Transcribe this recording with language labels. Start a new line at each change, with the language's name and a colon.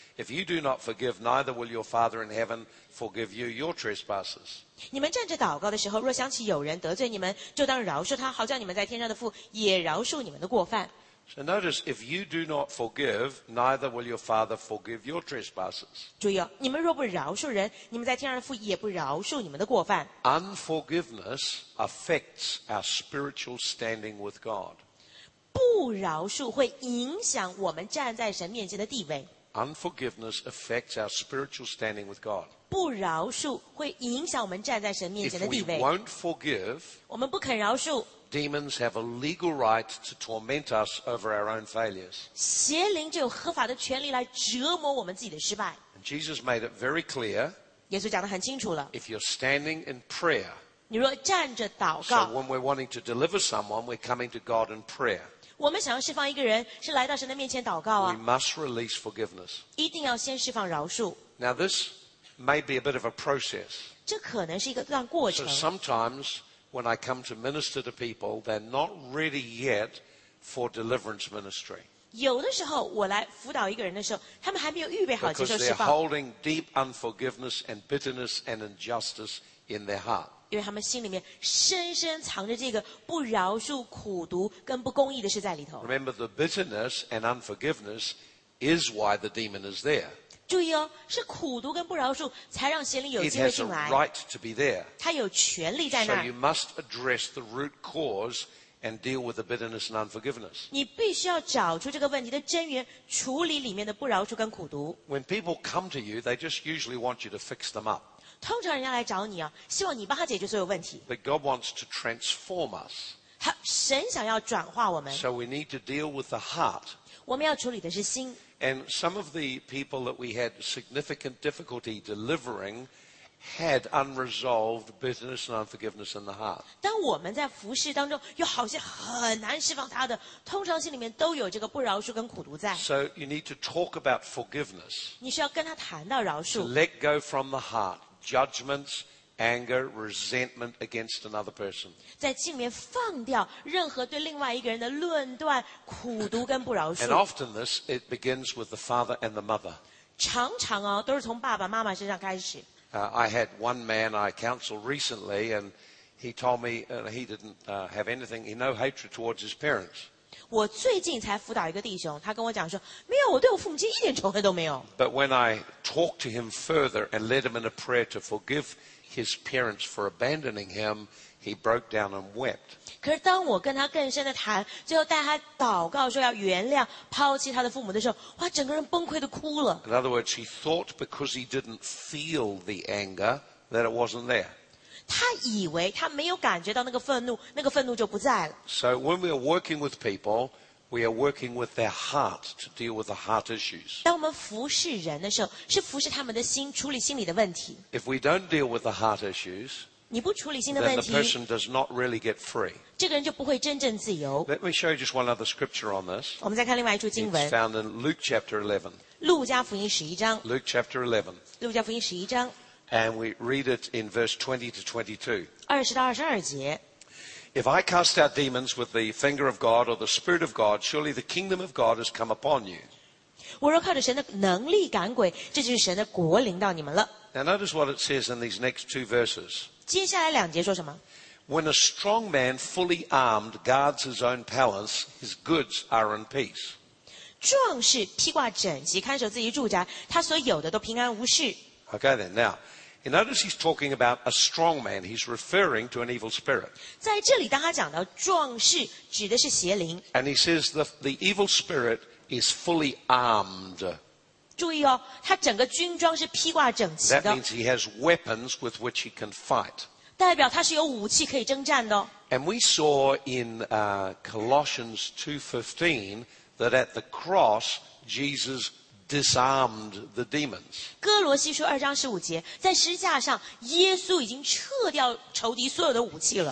English: If you do not forgive, neither will your Father in heaven forgive you your trespasses.
Chinese: 你们站着祷告的时候，若想起有人得罪你们，就当饶恕他，好叫你们在天上的父也饶恕你们的过犯。
English: So notice, if you do not forgive, neither will your Father forgive your trespasses.
Chinese: 注意哦，你们若不饶恕人，你们在天上的父也不饶恕你们的过犯。
English: Unforgiveness affects our spiritual standing with God.
Chinese: 不饶恕会影响我们站在神面前的地位。
English: Unforgiveness affects our spiritual standing with God.
Chinese: 不饶恕会影响我们站在神面前的地位。
English: If we won't forgive,
Chinese: 我们不肯饶恕。
English: Demons have a legal right to torment us over our own failures.
Chinese: 邪灵就有合法的权利来折磨我们自己的失败。
English: Jesus made it very clear.
Chinese: 耶稣讲得很清楚了。
English: If you're standing in prayer.
Chinese: 你若站着祷告
English: So when we're wanting to deliver someone, we're coming to God in prayer.
Chinese: 我们想要释放一个人是来到神的面前祷告啊。
English: We must release forgiveness.
Chinese: 一定要先释放饶恕。
English: Now this may be a bit of a process.
Chinese: 这可能是一个段过程。
English: So sometimes when I come to minister to people, they're not ready yet for deliverance ministry.
Chinese: 有的时候我来辅导一个人的时候他们还没有预备好接受释放。
English: Because they're holding deep unforgiveness and bitterness and injustice in their heart.
Chinese: 因为他们心里面深深藏着这个不饶恕、苦毒跟不公义的事在里头。
English: Remember, the bitterness and unforgiveness is why the demon is there.
Chinese: 注意哦，是苦毒跟不饶恕才让邪灵有机会进来。
English: It has a right to be there.
Chinese: 他有权利在那儿。
English: So you must address the root cause and deal with the bitterness and unforgiveness.
Chinese: 你必须要找出这个问题的真源，处理里面的不饶恕跟苦毒。
English: When people come to you, they just usually want you to fix them up.
Chinese: 通常人家来找你啊，希望你帮他解决所有问题。
English: But God wants to transform us.
Chinese: 神想要转化我们。
English: So we need to deal with the heart.
Chinese: 我们要处理的是心。
English: And some of the people that we had significant difficulty delivering had unresolved bitterness and unforgiveness in the heart.
Chinese: 当我们在服事当中有好些很难释放他的，通常心里面都有这个不饶恕跟苦毒在。
English: So you need to talk about forgiveness.
Chinese: 你需要跟他谈到饶恕。
English: Let go from the heart. Judgments, anger, resentment against another person.
Chinese: 在心里面放掉任何对另外一个人的论断、苦毒跟不饶恕。
English: And often this it begins with the father and the mother.
Chinese: 常常哦，都是从爸爸妈妈身上开始。
English: I had one man I counseled recently, and he told me he didn't have anything, no hatred towards his parents.
Chinese: 我最近才辅导一个弟兄，他跟我讲说，没有，我对我父母亲一点仇恨都没有。
English: But when I talked to him further and led him in a prayer to forgive his parents for abandoning him, he broke down and wept.
Chinese: 可是当我跟他更深的谈，最后带他祷告说要原谅抛弃他的父母的时候，哇，整个人崩溃的哭了。
English: In other words, he thought because he didn't feel the anger that it wasn't there.
Chinese: 他以为他没有感觉到那个愤怒，那个愤怒就不在了。
English: So when we are working with people, we are working with their heart to deal with the heart issues.
Chinese: 当我们服侍人的时候，是服侍他们的心，处理心里的问题。
English: If we don't deal with the heart issues,
Chinese: 你不处理心的问题
English: then the person does not really get free.
Chinese: 这个人就不会真正自由。
English: Let me show you just one other scripture on this.
Chinese: 我们再看另外一处经文。
English: It's found in Luke chapter 11.
Chinese: 路加福音十一章。
English: Luke chapter 11.
Chinese: 路加福音十一章。
English: And we read it in verse 20 to 22.
Chinese: 20到22节
English: If I cast out demons with the finger of God or the Spirit of God, surely the kingdom of God has come upon you.
Chinese: 我若靠着神的能力赶鬼，这就是神的国临到你们了。
English: Now notice what it says in these next two verses.
Chinese: 接下来两节说什么
English: When a strong man fully armed guards his own palace, his goods are in peace.
Chinese: 壮士披挂整齐，看守自己住宅，他所有的都平安无事。
English: Okay then, now, And notice he's talking about a strong man. He's referring to an evil spirit.
Chinese: 在这里当他讲到壮士指的是邪灵。
English: And he says the evil spirit is fully armed.
Chinese: 注意哦，他整个军装是披挂整齐的。
English: That means he has weapons with which he can fight.
Chinese: 代表他是有武器可以征战的、哦。
English: And we saw in Colossians 2:15 that at the cross Jesus disarmed the demons.
Chinese: 哥罗西书二章十五节，在十字架上，耶稣已经撤掉仇敌所有的武器了。